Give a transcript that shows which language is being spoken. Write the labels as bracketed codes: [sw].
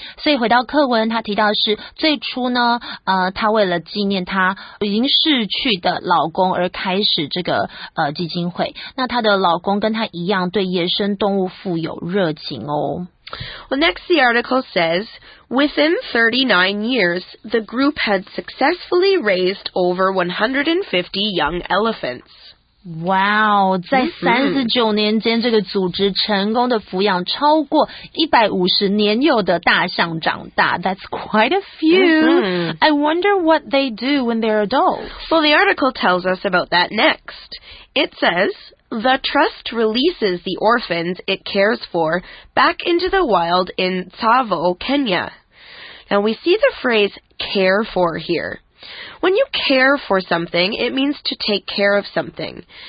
[zh] 所以回到课文，他提到是最初呢，他为了纪念他已经逝去的老公而开始这个基金会。那他的老公跟他一样对野生动物富有热情哦。 [en] Well, next the article says, within 39 years, the group had successfully raised over 150 young elephants. [zh] Wow, 在39年间这个组织成功的抚养超过150年幼的大象长大。 [en] That's quite a few. I wonder what they do when they're adults. Well, the article tells us about that next. It says, the trust releases the orphans it cares for back into the wild in Tsavo, Kenya. Now we see the phrase care for here. When you care for something, it means to take care of something.